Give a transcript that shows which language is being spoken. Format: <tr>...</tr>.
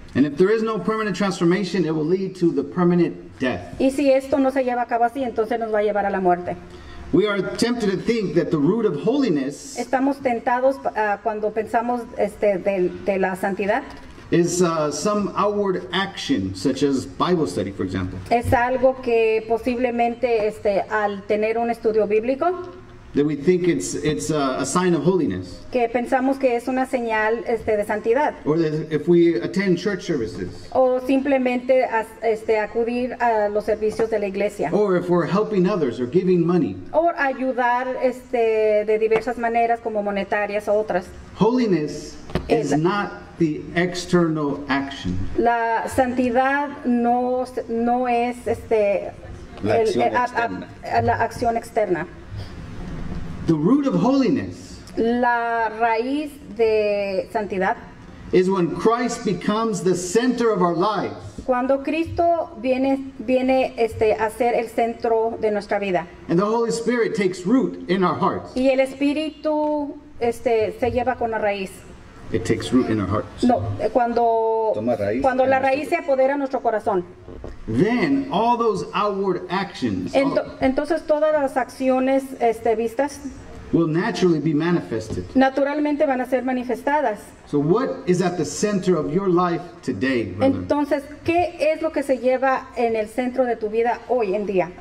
<en>And if there is no permanent transformation, it will lead to the permanent death.</en> <es>Y si esto no se lleva a cabo así, entonces nos va a llevar a la muerte.</es> <en>We are tempted to think that the root of holiness.</en> <es>Estamos tentados cuando pensamos de la santidad.</es> <en>Is some outward action, such as Bible study, for example.</en> <es>Es algo que posiblemente al tener un estudio bíblico.</es> <en>That we think it's a sign of holiness.</en> <es>Que pensamos que es una señal de santidad.</es> <en>Or that if we attend church services.</en> <es>O simplemente acudir a los servicios de la iglesia.</es> <en>Or if we're helping others or giving money.</en> <es>O ayudar de diversas maneras como monetarias o otras.</es> <en>Holiness is not the external action.</en> <es>La santidad no es la acción externa.</es> <en>The root of holiness.</en> <es>La raíz de santidad.</es> <en>Is when Christ becomes the center of our lives.</en> <es>Cuando Cristo viene a ser el centro de nuestra vida.</es> <en>And the Holy Spirit takes root in our hearts.</en> <es>Y el Espíritu se lleva con la raíz.</es> <en>It takes root in our hearts.</en> <es>No, cuando la raíz se apodera de nuestro corazón.</es> <en>Then all those outward actions.</en> <es>Entonces todas las acciones vistas.</es> <en>Will naturally be manifested.</en> <es>Naturalmente van a ser manifestadas.</es> <en>So what is at the center of your life today, brother?</en> <es>Entonces, ¿qué es lo que se lleva en el centro de tu vida hoy en día?</es>